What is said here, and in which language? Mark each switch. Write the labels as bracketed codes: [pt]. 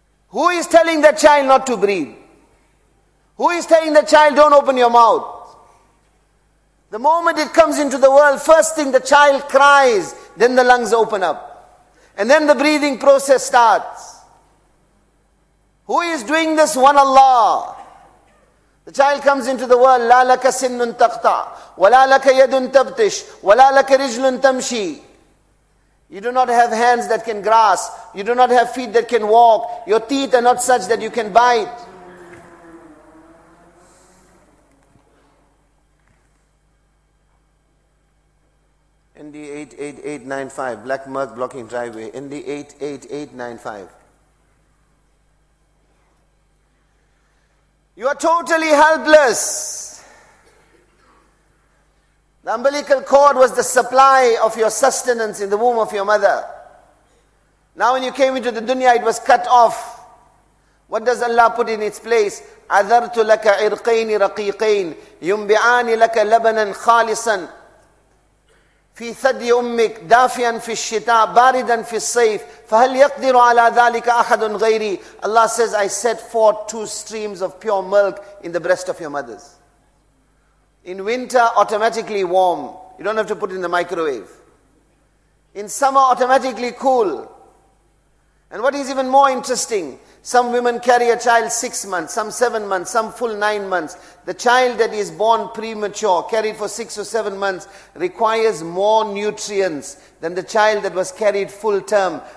[en] Who is telling that child not to breathe? Who is telling the child, don't open your mouth? The moment it comes into the world, first thing the child cries, then the lungs open up. And then the breathing process starts. Who is doing this? One Allah. The child comes into the world, [ar] لا لك سن تقطع ولا لك يد تبتش ولا لك رجل تمشي. [en] You do not have hands that can grasp. You do not have feet that can walk. Your teeth are not such that you can bite. ND88895, black murk blocking driveway. ND88895. You are totally helpless. The umbilical cord was the supply of your sustenance in the womb of your mother. Now when you came into the dunya, it was cut off. What does Allah put in its place? [ar] عَذَرْتُ لَكَ عِرْقَيْنِ رَقِيقَيْنِ يُنْبِعَانِ لَكَ لَبَنًا خَالِصًا فِي ثَدْيِ أُمِّكْ دَافِيًا فِي الشِّتَاءِ بَارِدًا فِي الصَّيْفِ فَهَلْ يَقْدِرُ عَلَىٰ ذَٰلِكَ أَحَدٌ غَيْرِي [en] Allah says, I set forth 2 streams of pure milk in the breast of your mothers. In winter, automatically warm. You don't have to put it in the microwave. In summer, automatically cool. And what is even more interesting, some women carry a child 6 months, some 7 months, some full 9 months. The child that is born premature, carried for 6 or 7 months, requires more nutrients than the child that was carried full term.